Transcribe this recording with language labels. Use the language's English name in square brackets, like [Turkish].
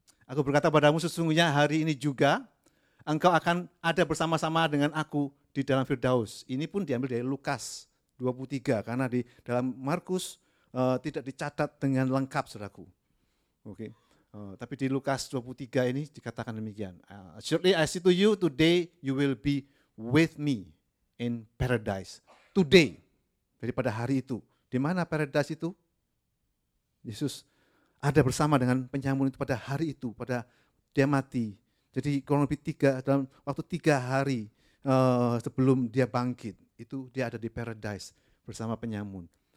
[Indonesian] Aku berkata padamu sesungguhnya hari ini juga engkau akan ada bersama-sama dengan aku di dalam Firdaus. Ini pun diambil dari Lukas 23, karena di dalam Markus tidak dicatat dengan lengkap, saudaraku. Oke. Tapi di Lukas 23 ini dikatakan demikian. [English] Surely I say to you, today you will be with me in paradise. Today. [Indonesian] Daripada hari itu. Di mana paradise itu? Yesus ada bersama dengan penyamun itu pada hari itu, pada dia mati. Jadi kurang lebih dalam waktu tiga hari sebelum dia bangkit, itu dia ada di paradise bersama penyamun.